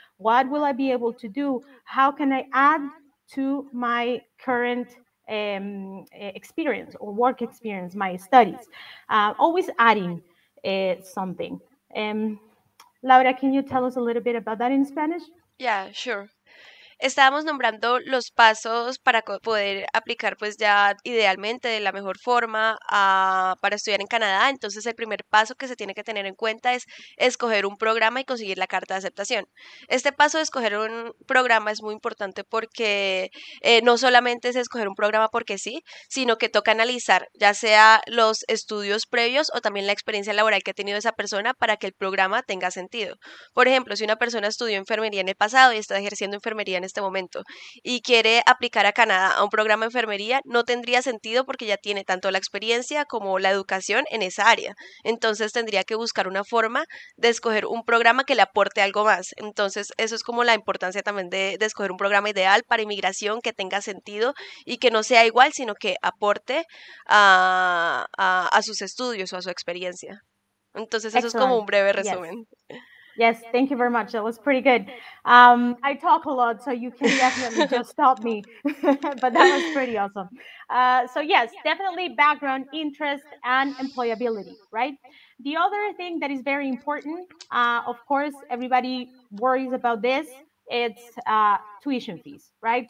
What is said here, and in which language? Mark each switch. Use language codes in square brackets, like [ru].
[en] What will I be able to do? How can I add to my current experience or work experience, my studies? Always adding something. Laura, can you tell us a little bit about that in Spanish? Yeah, sure. [es] Estábamos nombrando los pasos para poder aplicar pues ya idealmente de la mejor forma para estudiar en Canadá. Entonces el primer paso que se tiene que tener en cuenta es escoger un programa y conseguir la carta de aceptación. Este paso de escoger un programa es muy importante porque no solamente es escoger un programa porque sí, sino que toca analizar ya sea los estudios previos o también la experiencia laboral que ha tenido esa persona para que el programa tenga sentido. Por ejemplo, si una persona estudió enfermería en el pasado y está ejerciendo enfermería en este momento y quiere aplicar a Canadá a un programa de enfermería, no tendría sentido porque ya tiene tanto la experiencia como la educación en esa área. Entonces tendría que buscar una forma de escoger un programa que le aporte algo más. Entonces eso es como la importancia también de escoger un programa ideal para inmigración que tenga sentido y que no sea igual, sino que aporte a sus estudios o a su experiencia. Entonces eso Excellent. Es como un breve resumen. [en] Yes. Yes, thank you very much. That was pretty good. I talk a lot, so you can definitely just stop me. But that was pretty awesome. So yes, definitely background, interest, and employability, right? The other thing that is very important, of course, everybody worries about this, it's tuition fees, right?